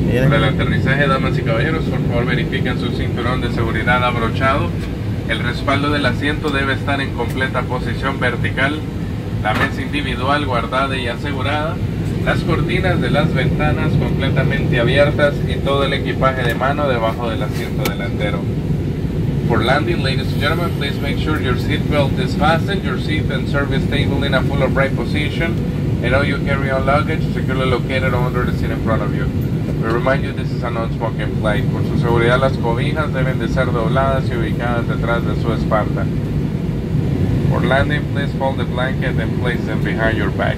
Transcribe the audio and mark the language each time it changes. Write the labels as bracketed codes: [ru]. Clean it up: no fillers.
[es] Para el aterrizaje, damas y caballeros, por favor verifiquen su cinturón de seguridad abrochado. El respaldo del asiento debe estar en completa posición vertical. La mesa individual guardada y asegurada, las cortinas de las ventanas completamente abiertas y todo el equipaje de mano debajo del asiento delantero. [en] For landing, ladies and gentlemen, please make sure your seatbelt is fastened, your seat and service table in a full upright position, and all your carry-on luggage securely located under the seat in front of you. We remind you this is a non-smoking flight. [es] Por su seguridad, las cobijas deben de ser dobladas y ubicadas detrás de su espalda. [en] For landing, please fold the blanket and place them behind your back.